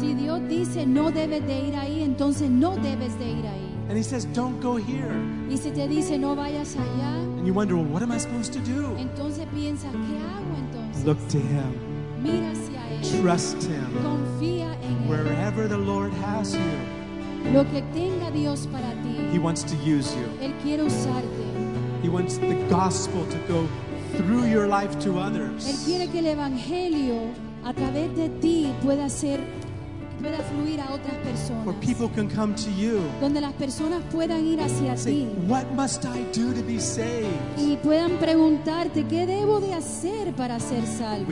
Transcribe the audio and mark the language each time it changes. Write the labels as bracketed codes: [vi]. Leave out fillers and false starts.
[es] Si Dios dice no debes de ir ahí, entonces no debes de ir ahí. [en] And he says, don't go here. [es] Y si te dice no vayas allá. [en] And you wonder, well, what am I supposed to do? [es] Entonces piensas, ¿qué hago entonces? [en] Look to him. [es] Mira hacia él. [en] Trust him. [es] Confía en él. [en] Wherever the Lord has you. [es] Lo que tenga Dios para ti. [en] He wants to use you. [es] Él quiere usarte. [en] He wants the gospel to go through your life to others. [es] Él quiere que el evangelio a través de ti pueda ser [en] where people can come to you [es] donde las personas puedan ir hacia [en] say, [es] ti. [en] What must I do to be saved? [es] Y puedan preguntarte, ¿qué debo de hacer para ser salvo?